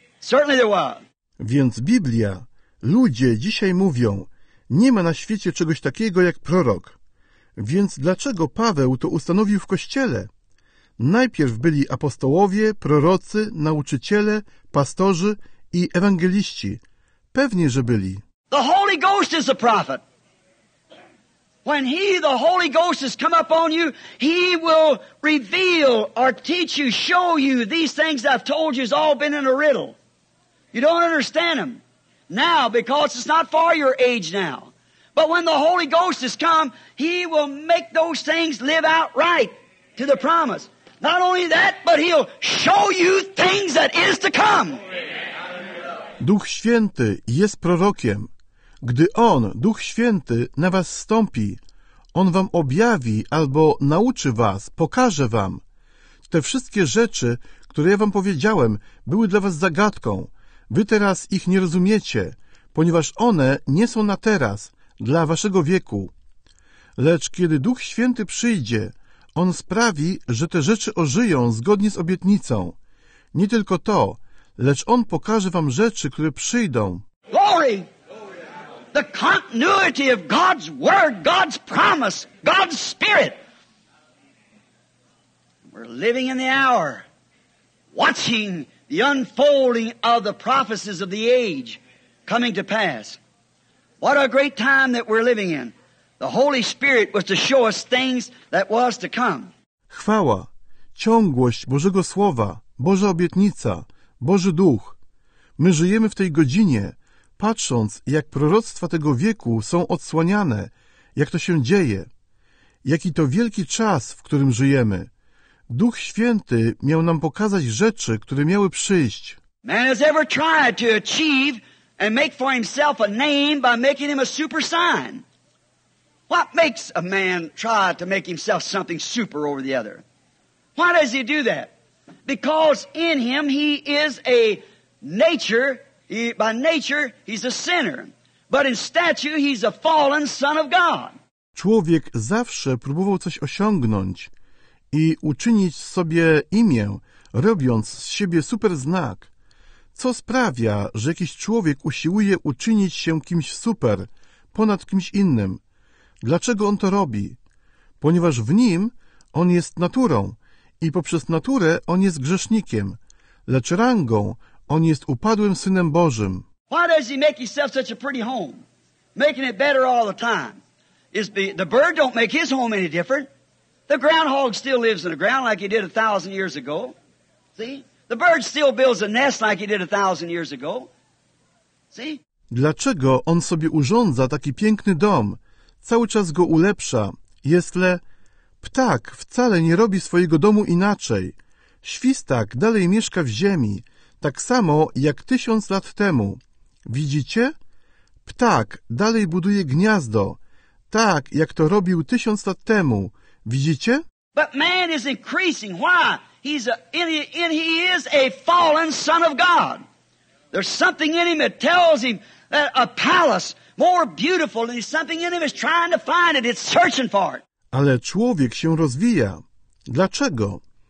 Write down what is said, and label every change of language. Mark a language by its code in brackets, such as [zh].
[en] Certainly there was. [pl] Więc Biblia, ludzie dzisiaj mówią, nie ma na świecie czegoś takiego jak prorok. Więc dlaczego Paweł to ustanowił w Kościele? Najpierw byli apostołowie, prorocy, nauczyciele, pastorzy i ewangeliści. Pewnie, że byli. [en] The Holy Ghost is a prophet. When he, the Holy Ghost, has come upon you, he will reveal or teach you, show you these things I've told you has all been in a riddle. You don't understand them now because it's not for your age now. But when the Holy Ghost has come, he will make those things live out right to the promise. Not only that, but he'll show you things that is to come. [pl] Duch Święty jest prorokiem. Gdy On, Duch Święty, na was zstąpi, On wam objawi albo nauczy was, pokaże wam. Te wszystkie rzeczy, które ja wam powiedziałem, były dla was zagadką. Wy teraz ich nie rozumiecie, ponieważ one nie są na teraz, dla waszego wieku. Lecz kiedy Duch Święty przyjdzie, On sprawi, że te rzeczy ożyją zgodnie z obietnicą. Nie tylko to, lecz On pokaże wam rzeczy, które przyjdą. [en] Glory! The continuity of God's word, God's promise, God's spirit. We're living in the hour, watching the unfolding of the prophecies of the age coming to pass. What a great time that we're living in. The Holy Spirit was to show us things that was to come. [pl] Chwała, ciągłość Bożego Słowa, Boża obietnica, Boży Duch. My żyjemy w tej godzinie, patrząc, jak proroctwa tego wieku są odsłaniane, jak to się dzieje. Jaki to wielki czas, w którym żyjemy. Duch Święty miał nam pokazać rzeczy, które miały przyjść. [en] Man has ever tried to achieve and make for himself a name by making him a super sign. What makes a man try to make himself something super over the other? Why does he do that? Because in him he is a nature. By nature, he's a sinner, but in stature, he's a fallen son of God. [pl] Człowiek zawsze próbował coś osiągnąć i uczynić sobie imię, robiąc z siebie super znak. Co sprawia, że jakiś człowiek usiłuje uczynić się kimś super, ponad kimś innym? Dlaczego on to robi? Ponieważ w nim on jest naturą i poprzez naturę on jest grzesznikiem, lecz rangą on jest upadłym Synem Bożym. [en] Why does he make himself such a pretty home? Making it better all the time. The bird don't make his home any different. The groundhog still lives in the ground like he did 1,000 years ago. See? The bird still builds a nest like he did 1,000 years ago. See? [pl] Dlaczego on sobie urządza taki piękny dom? Cały czas go ulepsza. Jestle ptak wcale nie robi swojego domu inaczej. Świstak dalej mieszka w ziemi. Tak samo jak 1,000 lat temu. Widzicie? Ptak dalej buduje gniazdo. Tak jak to robił 1,000 lat temu. Widzicie? [en] But man is increasing. Why? He is a fallen son of God. There's something in him that tells him that a palace more beautiful than something in him is trying to find it. It's searching for it. [pl] Ale człowiek się rozwija. Dlaczego?